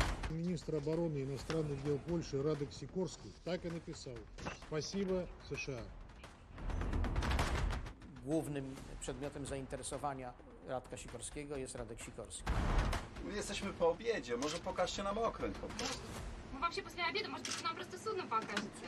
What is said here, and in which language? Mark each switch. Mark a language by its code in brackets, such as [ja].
[ru] Министр обороны иностранных дел Польши Радек Сикорский так и написал: «Спасибо США». [pl] Głównym przedmiotem zainteresowania Radka Sikorskiego jest Radek Sikorski. My jesteśmy po obiedzie, może pokażcie nam okręt po prostu. [ru] Мы вообще после обеда, может быть, нам просто судно покажете?